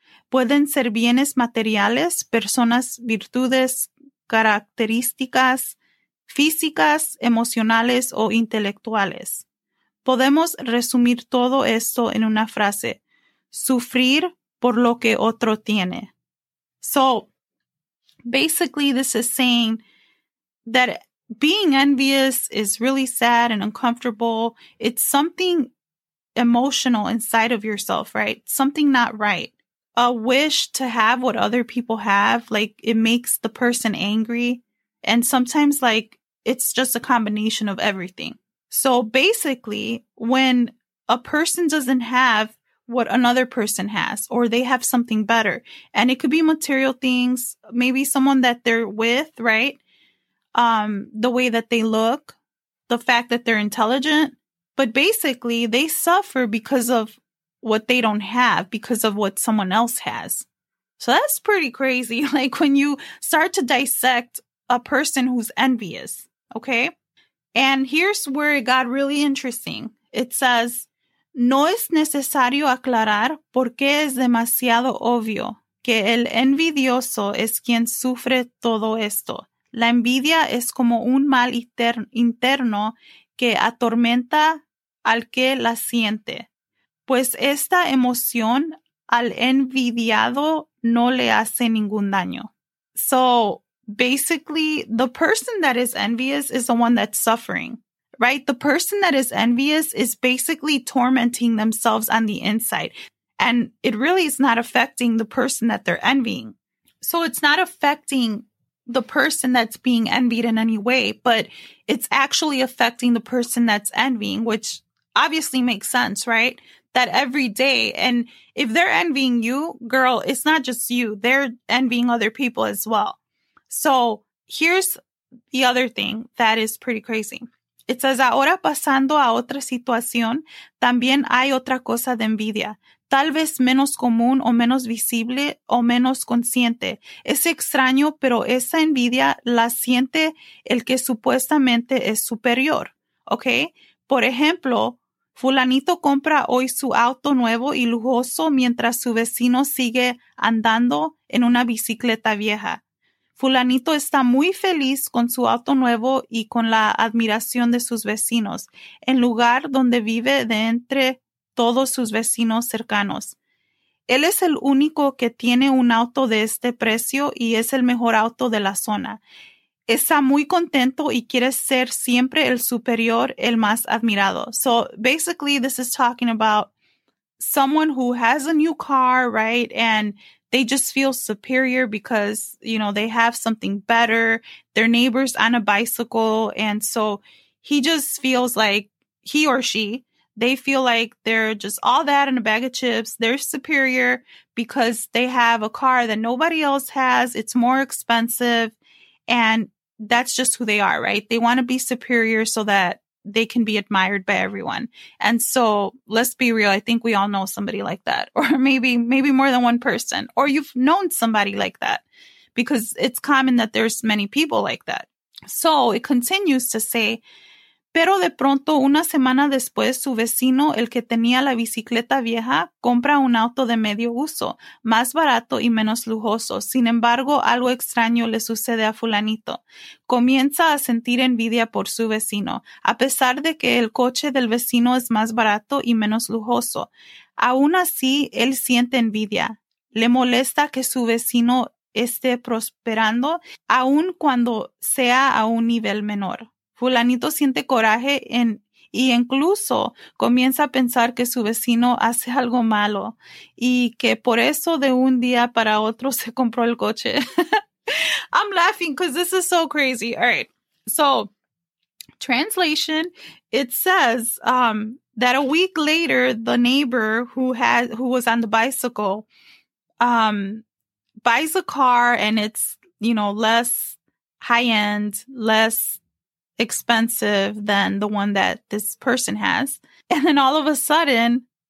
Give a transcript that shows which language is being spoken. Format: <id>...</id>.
<es>Pueden ser bienes materiales, personas, virtudes, características físicas, emocionales o intelectuales. Podemos resumir todo esto en una frase: sufrir por lo que otro tiene.</es> <en>So, basically, this is saying that being envious is really sad and uncomfortable. It's something emotional inside of yourself, right? Something not right. A wish to have what other people have, like, it makes the person angry. And sometimes, like, it's just a combination of everything. So basically, when a person doesn't have what another person has, or they have something better, and it could be material things, maybe someone that they're with, right? The way that they look, the fact that they're intelligent. But basically, they suffer because of what they don't have, because of what someone else has. So that's pretty crazy. Like, when you start to dissect a person who's envious, okay? And here's where it got really interesting. It says,</en> <es>no es necesario aclarar porque es demasiado obvio que el envidioso es quien sufre todo esto. La envidia es como un mal interno que atormenta al que la siente. Pues esta emoción al envidiado no le hace ningún daño.</es> <en>So, basically, the person that is envious is the one that's suffering, right? The person that is envious is basically tormenting themselves on the inside. And it really is not affecting the person that they're envying. So it's not affecting the person that's being envied in any way, but it's actually affecting the person that's envying, which obviously makes sense, right? That every day, and if they're envying you, girl, it's not just you, they're envying other people as well. So here's the other thing that is pretty crazy. It says,</en> <es>ahora pasando a otra situación, también hay otra cosa de envidia, tal vez menos común o menos visible o menos consciente. Es extraño, pero esa envidia la siente el que supuestamente es superior, okay? Por ejemplo, fulanito compra hoy su auto nuevo y lujoso mientras su vecino sigue andando en una bicicleta vieja. Fulanito está muy feliz con su auto nuevo y con la admiración de sus vecinos, el lugar donde vive de entre todos sus vecinos cercanos. Él es el único que tiene un auto de este precio y es el mejor auto de la zona. Está muy contento y quiere ser siempre el superior, el más admirado.</es> <en>So basically, this is talking about someone who has a new car, right? And they just feel superior because, you know, they have something better. Their neighbor's on a bicycle. And so he just feels like he or she, they feel like they're just all that in a bag of chips. They're superior because they have a car that nobody else has. It's more expensive. And that's just who they are, right? They want to be superior so that they can be admired by everyone. And so let's be real. I think we all know somebody like that, or maybe more than one person, or you've known somebody like that, because it's common that there's many people like that. So it continues to say,</en> <es>pero de pronto una semana después, su vecino, el que tenía la bicicleta vieja, compra un auto de medio uso, más barato y menos lujoso. Sin embargo, algo extraño le sucede a fulanito. Comienza a sentir envidia por su vecino, a pesar de que el coche del vecino es más barato y menos lujoso. Aún así, él siente envidia. Le molesta que su vecino esté prosperando, aun cuando sea a un nivel menor. Fulanito siente coraje y incluso comienza a pensar que su vecino hace algo malo y que por eso de un día para otro se compró el coche.</es> <en>I'm laughing because this is so crazy. All right. So, translation, it says that a week later, the neighbor who was on the bicycle buys a car and it's, you know, less high-end, less expensive than the one that this person has. And then all of a sudden,</en>